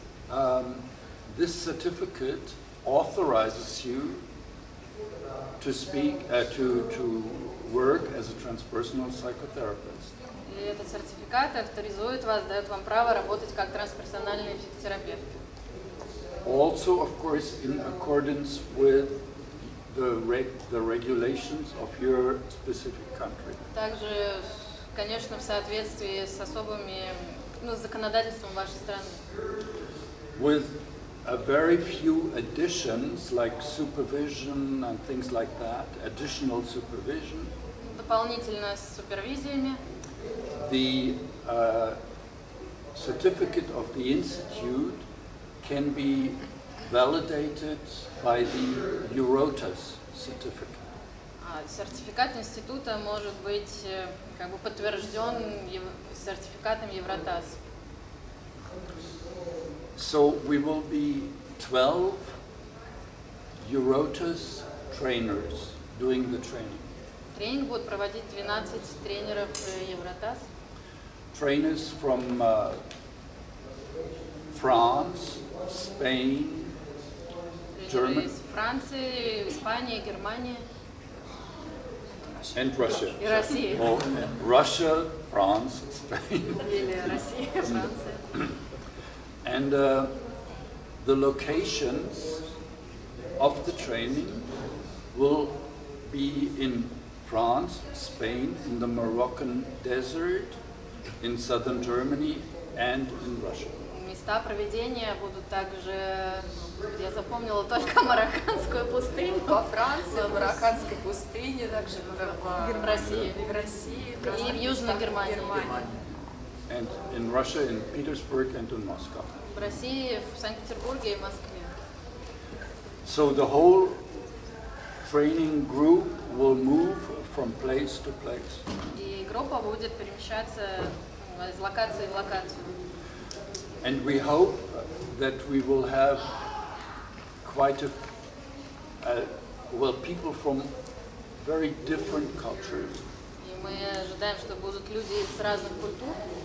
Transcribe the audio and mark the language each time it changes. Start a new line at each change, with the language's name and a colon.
English: And this certificate authorizes you to speak to work as a transpersonal psychotherapist.
Russian: Этот сертификат авторизует вас, дает вам право работать как трансперсональный психотерапевт.
English: Also, of course, in accordance with the regulations of your specific country.
Russian: Также, конечно, в соответствии с особыми, ну, законодательством вашей страны.
English: With a very few additions, like supervision and things like that, additional supervision.
Russian: Дополнительно с супервизиями.
English: The certificate of the institute can be validated by the EUROTAS certificate.
Russian: Сертификат института может быть как бы подтвержден сертификатом EUROTAS.
English: So we will be 12 EUROTAS trainers doing the training.
Russian: Тренинг будет проводить 12 тренеров EUROTAS.
English: Trainers from France, Spain, Germany,
Russian: Франции, Испании, Германии,
English: and Russia.
Russian: И Россия.
English: Russia, France, Spain.
Russian: Россия, Франция.
English: And the locations of the training will be in France, Spain, in the Moroccan desert, in southern Germany, and in Russia.
Russian: Места проведения будут также, я запомнила только марокканскую пустыню. Во Франции, в марокканской пустыне, также в России. В России. И в Южной Германии.
English: And in Russia, in Petersburg and in Moscow.
Russian: В России, в Санкт-Петербурге и Москве.
English: So the whole training group will move from place to place.
Russian: И группа будет перемещаться из локации в локацию.
English: And we hope that we will have quite a well, people from very different cultures.
Russian: И мы ожидаем, что будут люди с разных культур.